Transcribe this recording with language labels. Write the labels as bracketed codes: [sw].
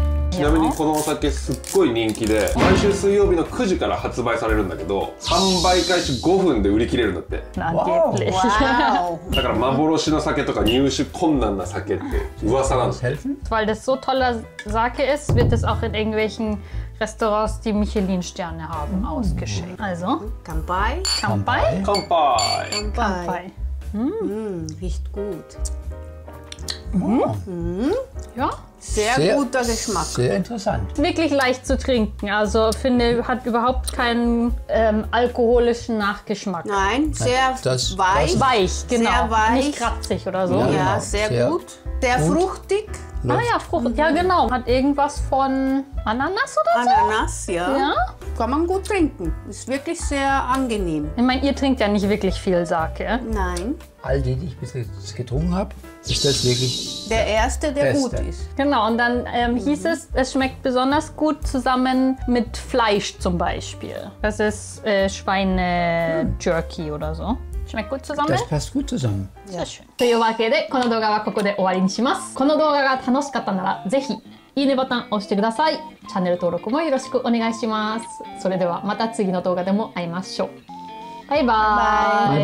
[ja] ちなみにこのお酒すっごい人気で毎週水曜日の9時から発売されるんだけど販売開始5分で売り切れるんだってなんてプレッシャーだから幻の酒とか入手困難な酒って噂なんですよ [de] Weil das so toller Sake ist, wird es auch in irgendwelchen Restaurants, die Michelin-Sterne haben, ausgeschenkt Also, [ja] 乾杯乾杯乾杯 [de] 乾杯riecht gut Ja? Sehr, sehr guter Geschmack. Sehr interessant. Wirklich leicht zu trinken. Also finde, hat überhaupt keinen alkoholischen Nachgeschmack. Nein, sehr das, weich. Das weich, genau. Sehr weich. Nicht kratzig oder so. Ja, ja genau. sehr gut. Sehr fruchtig. Luft. Ah ja, fruchtig. Ja, genau. Hat irgendwas von Ananas oder Ananas, so? Ananas, ja. Ja? Kann man gut trinken. Ist wirklich sehr angenehm. Ich meine, ihr trinkt ja nicht wirklich viel Sake. Nein. All die, die ich bis jetzt getrunken habe, ist das wirklich der erste, der beste. Gut ist. Genau, und dann hieß es, es schmeckt besonders gut zusammen mit Fleisch zum Beispiel. Das ist Schweine-Jerky oder so. Schmeckt gut zusammen? Das passt gut zusammen. Sehr schön. [ja] というわけで、この動画はここで終わりにします。この動画が楽しかったなら、ぜひいいねボタン押してください。チャンネル登録もよろしくお願いします。それではまた次の動画でも会いましょう。バイバイ。